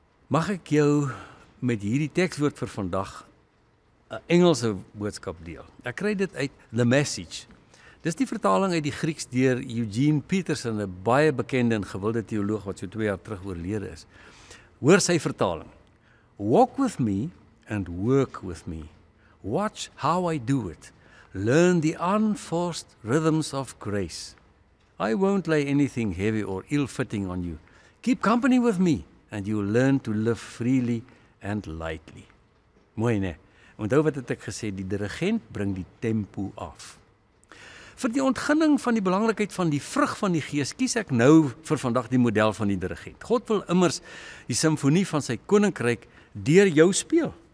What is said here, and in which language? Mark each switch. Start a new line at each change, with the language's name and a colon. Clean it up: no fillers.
Afrikaans: Mag ek jou met hierdie tekswoord vir vandag 'n Engelse boodskap deel. Ek kry dit uit The Message. Dis die vertaling uit die Grieks deur Eugene Peterson, 'n baie bekende en gewilde teoloog wat so 2 jaar terug oorlede is. Hoor sy vertaling.
English: Walk with me and work with me. Watch how I do it. Learn the unforced rhythms of grace. I won't lay anything heavy or ill-fitting on you. Keep company with me and you'll learn to live freely and lightly.
Afrikaans: Mooi, né? Onthou wat het ek gesê, die dirigent bring die tempo af. Vir die ontginning van die belangrikheid van die vrug van die gees, kies ek nou vir vandag die model van die dirigent. God wil immers die simfonie van sy koninkryk deur jou speel.